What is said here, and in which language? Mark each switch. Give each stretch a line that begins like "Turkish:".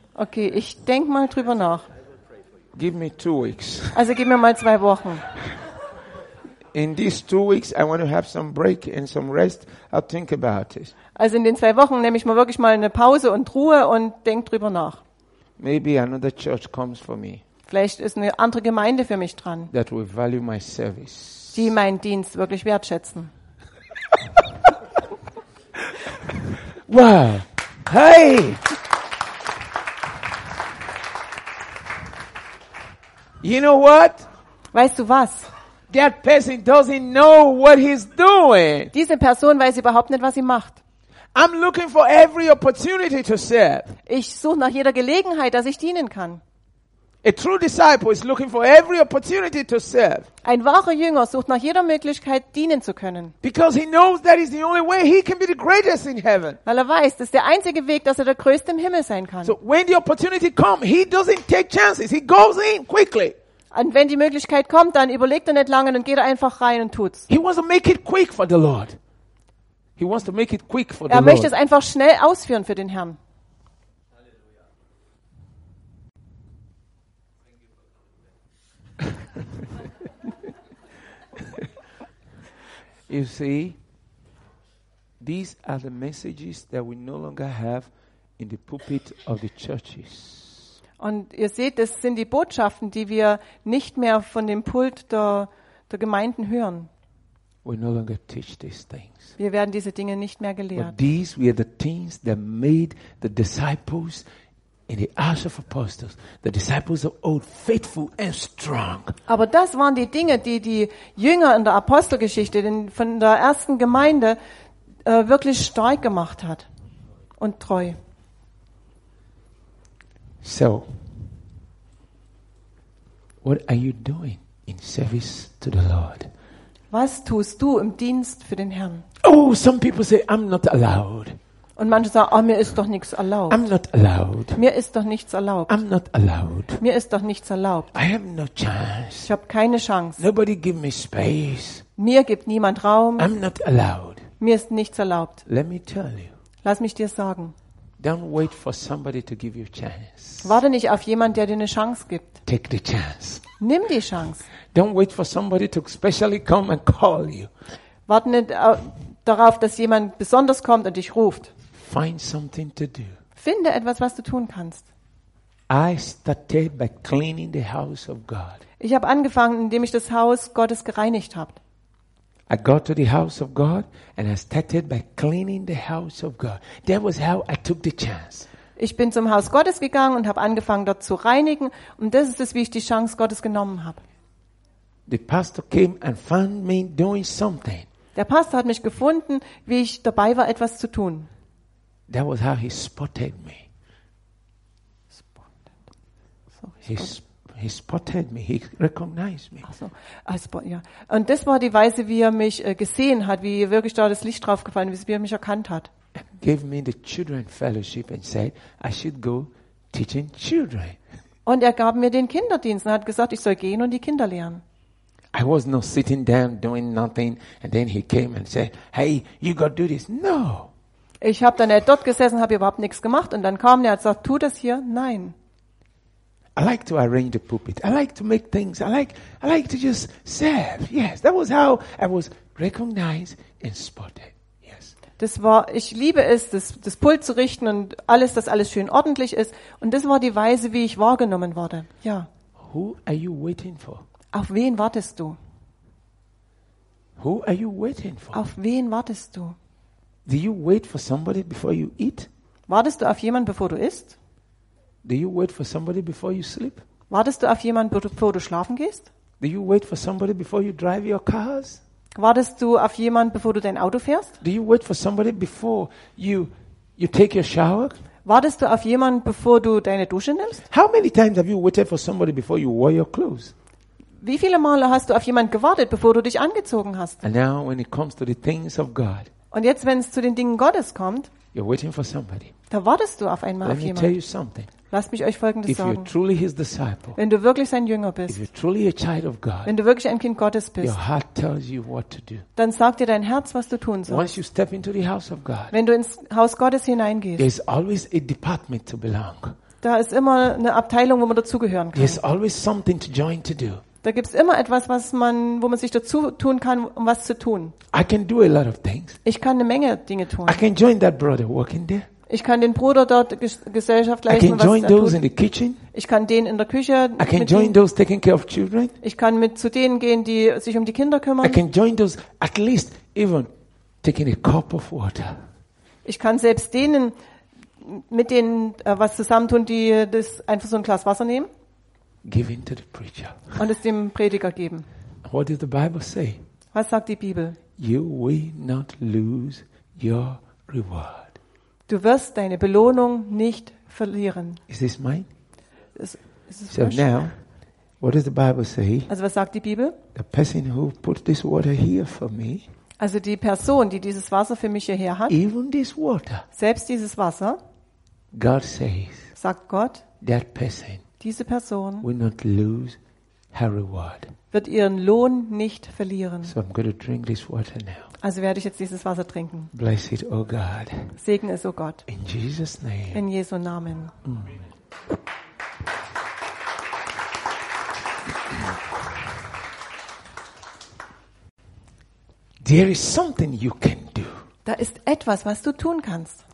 German: Okay, ich denk mal drüber nach.
English: Give me 2 weeks.
German: Also gib mir mal 2 Wochen.
English: In these 2 weeks, I want to have some break and some rest. I'll think about it.
German: Also in den 2 Wochen nehme ich mal wirklich mal eine Pause und Ruhe und denk drüber nach.
English: Maybe another church comes for me.
German: Vielleicht ist eine andere Gemeinde für mich dran.
English: That will value my service.
German: Die meinen Dienst wirklich wertschätzen. Wow. Hey.
English: You know what?
German: Weißt du was?
English: That person doesn't know what he's doing.
German: Diese Person weiß überhaupt nicht, was sie macht.
English: I'm looking for every opportunity to serve.
German: Ich suche nach jeder Gelegenheit, dass ich dienen kann.
English: A true disciple is looking for every opportunity to serve.
German: Ein wahrer Jünger sucht nach jeder Möglichkeit, dienen zu können.
English: Because he knows that is the only way he can be the greatest in heaven.
German: Weil er weiß, das ist der einzige Weg, dass er der Größte im Himmel sein kann.
English: So when the opportunity comes, he doesn't take chances. He goes in quickly.
German: Und wenn die Möglichkeit kommt, dann überlegt er nicht lange und geht einfach rein und tut's.
English: He wants to make it quick for the Lord. He wants to make it quick for the
German: Lord. Er möchte es einfach schnell ausführen für den Herrn.
English: You see, these are the messages that we no longer have in the pulpit of the churches.
German: Und ihr seht, das sind die Botschaften, die wir nicht mehr von dem Pult der Gemeinden hören.
English: We no longer teach these things.
German: Wir werden diese Dinge nicht mehr gelehrt.
English: But these were the things that made the disciples in the Acts of Apostles, the disciples of old, faithful and strong.
German: Aber das waren die Dinge, die Jünger in der Apostelgeschichte, von der ersten Gemeinde, wirklich stark gemacht hat und treu.
English: So, what are you doing in service to the Lord?
German: Was tust du im Dienst für den Herrn?
English: Oh, some people say I'm not allowed.
German: Und manche sagen, oh, mir ist doch nichts erlaubt.
English: I'm not allowed.
German: Mir ist doch nichts erlaubt.
English: I'm not allowed.
German: Mir ist doch nichts erlaubt.
English: I have no chance.
German: Ich habe keine Chance.
English: Nobody give me space.
German: Mir gibt niemand Raum.
English: I'm not allowed.
German: Mir ist nichts erlaubt.
English: Let me tell you.
German: Lass mich dir sagen.
English: Don't wait for somebody to give you chance.
German: Warte nicht auf jemanden, der dir eine Chance gibt.
English: Take the chance.
German: Nimm die Chance.
English: Don't wait for somebody to specially come and call you.
German: Warte nicht darauf, dass jemand besonders kommt und dich ruft.
English: Find something to do.
German: Finde etwas, was du tun kannst.
English: I started by cleaning the house of God.
German: Ich habe angefangen, indem ich das Haus Gottes gereinigt habe.
English: I got to the house of God and I started by cleaning the house of God. That was how I took the chance.
German: Ich bin zum Haus Gottes gegangen und habe angefangen, dort zu reinigen, und das ist es, wie ich die Chance Gottes genommen habe.
English: The pastor came and found me doing something.
German: Der Pastor hat mich gefunden, wie ich dabei war, etwas zu tun.
English: That was how he spotted me. He spotted me. He recognized me.
German: Und das war die Weise, wie er mich gesehen hat, wie wirklich da das Licht draufgefallen ist, wie er mich erkannt hat.
English: Gave me the children fellowship and said, I should go teaching children.
German: Und er gab mir den Kinderdienst und hat gesagt, ich soll gehen und die Kinder lernen.
English: I was not sitting down doing nothing, and then he came and said, "Hey, you got to do this." No.
German: Ich habe dann nicht dort gesessen, habe überhaupt nichts gemacht, und dann kam er und sagt, tu das hier. Nein.
English: I like to arrange the pulpit. I like to make things. I like to just serve. Yes, that was how I was recognized and spotted. Yes.
German: Das war, ich liebe es, das Pult zu richten und alles, dass alles schön ordentlich ist. Und das war die Weise, wie ich wahrgenommen wurde. Ja.
English: Who are you waiting for?
German: Auf wen wartest du?
English: Who are you waiting for?
German: Auf wen wartest du?
English: Do you wait for somebody before you eat?
German: Wartest du auf jemanden, bevor du isst?
English: Do you wait for somebody before you sleep?
German: Wartest du auf jemanden, bevor du schlafen gehst?
English: Do you wait for somebody before you drive your cars?
German: Wartest du auf jemanden, bevor du dein Auto fährst?
English: Do you wait for somebody before you take your shower?
German: Wartest du auf jemanden, bevor du deine Dusche nimmst?
English: How many times have you waited for somebody before you wore your clothes?
German: Wie viele Male hast du auf jemanden gewartet, bevor du dich angezogen hast?
English: And now when it comes to the things of God.
German: Und jetzt, wenn es zu den Dingen Gottes kommt,
English: you're waiting for somebody.
German: Da wartest du auf einmal
English: Let
German: auf jemanden.
English: Me tell you something.
German: Lass mich euch Folgendes
English: If
German: sagen.
English: You're truly his disciple,
German: wenn du wirklich sein Jünger bist,
English: if you're truly a child of God,
German: wenn du wirklich ein Kind Gottes bist,
English: your heart tells you what to do.
German: Dann sagt dir dein Herz, was du tun sollst.
English: Once you step into the house of God,
German: wenn du ins Haus Gottes hineingehst,
English: there's always a department to belong.
German: Da ist immer eine Abteilung, wo man dazugehören kann.
English: There's always something to join to do.
German: Da gibt es immer etwas, was man, wo man sich dazu tun kann, um was zu tun.
English: I can do a lot of things.
German: Ich kann eine Menge Dinge tun.
English: I can join that brother working there.
German: Ich kann den Bruder dort Gesellschaft leisten,
English: I can join
German: was
English: those
German: tut.
English: In the kitchen.
German: Ich kann den in der Küche
English: I can join those taking care of children.
German: Ich kann mit zu denen gehen, die sich um die Kinder kümmern.
English: I can join those at least even taking a cup of water.
German: Ich kann selbst denen mit denen was zusammentun, die das einfach so ein Glas Wasser nehmen.
English: Give in to the preacher.
German: Und es dem Prediger geben.
English: What does the Bible say?
German: Was sagt die Bibel?
English: You will not lose your reward.
German: Du wirst deine Belohnung nicht verlieren.
English: Is this mine? Is so now, what does the Bible say?
German: Also was sagt die Bibel?
English: The person who put this water here for me.
German: Also die Person, die dieses Wasser für mich hierher hat.
English: Even this water.
German: Selbst dieses Wasser.
English: God says.
German: Sagt Gott.
English: That person.
German: Diese Person
English: will not lose her reward.
German: Wird ihren Lohn nicht verlieren.
English: So I'm going to drink this water now.
German: Also werde ich jetzt dieses Wasser trinken.
English: Bless it, oh God.
German: Segne es, oh Gott.
English: In Jesus name.
German: In Jesu Namen.
English: There is something you can do.
German: Da ist etwas, was du tun kannst.